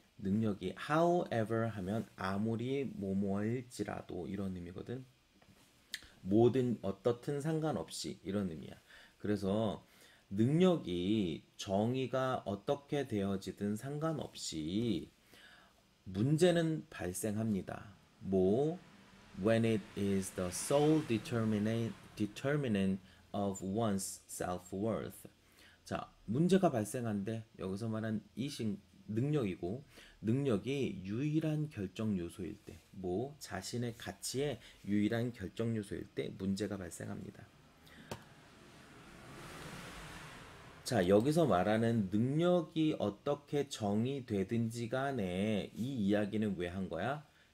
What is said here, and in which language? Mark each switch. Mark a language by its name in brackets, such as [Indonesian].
[Korean] 능력이 however 하면 아무리 뭐뭐일지라도 이런 의미거든. 뭐든 어떻든 상관없이 이런 의미야. 그래서 능력이 정의가 어떻게 되어지든 상관없이 문제는 발생합니다. [English] 뭐, when it is the sole determinant of one's self-worth. [Korean] 자, 문제가 발생한데 여기서 말한 이신 능력이고 능력이 유일한 결정 요소일 때, 뭐 자신의 가치의 유일한 결정 요소일 때 문제가 발생합니다. 자, 여기서 말하는 능력이 어떻게 정의되든지 간에 이 이야기는 왜한 거야?